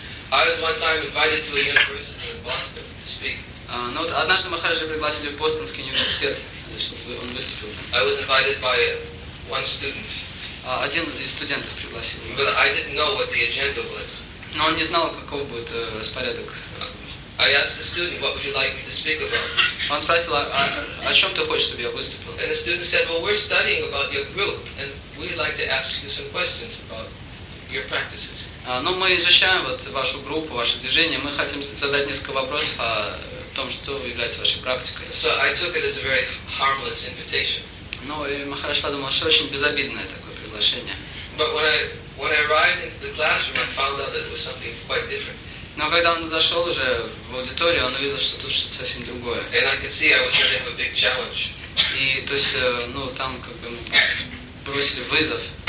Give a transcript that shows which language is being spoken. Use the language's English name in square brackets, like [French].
[English] I was one time invited to a university in Boston to speak. [Russian] Ну, вот однажды Махараджа пригласили в Бостонский университет, чтобы он выступил. [English] I was invited by one student. [Russian] Один из студентов пригласил. [English] But I didn't know what the agenda was. [Russian] Но он не знал, каков будет распорядок. [English] I asked the student, what would you like me to speak about? [Russian] Он спросил, о чем ты хочешь, чтобы я выступил? [English] And the student said, well, we're studying about your group, and we'd like to ask you some questions about your practices. [Russian] Ну, мы изучаем вот вашу группу, ваше движение, мы хотим задать несколько вопросов о том, что является вашей практикой. [English] So I took it as a very harmless invitation. [Russian] Ну, и Махараш подумал, что очень безобидное такое. [English] But when I arrived into the classroom, I found out that it was something quite different. [Russian] Но когда он зашел уже в аудиторию, он увидел, что тут что-то совсем другое. [English] And I could see I was going to have a big challenge. [Russian] И то есть, ну там как бы бросили вызов.